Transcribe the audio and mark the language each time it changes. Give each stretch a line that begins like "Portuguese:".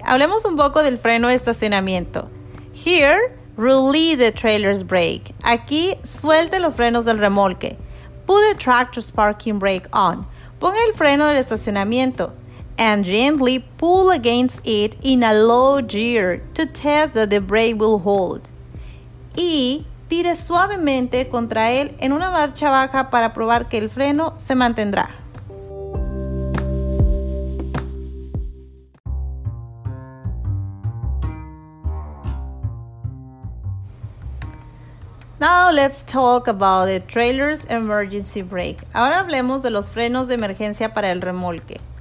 Spanish: Hablemos un poco del freno de estacionamiento.
English: Here, release the trailer's brake.
Spanish: Aquí, suelte los frenos del remolque.
English: Put the tractor's parking brake on.
Spanish: Ponga el freno del estacionamiento.
English: And gently pull against it in a low gear to test that the brake will hold.
Spanish: Y tire suavemente contra él en una marcha baja para probar que el freno se mantendrá.
English: Now let's talk about the trailer's emergency brake.
Spanish: Ahora hablemos de los frenos de emergencia para el remolque.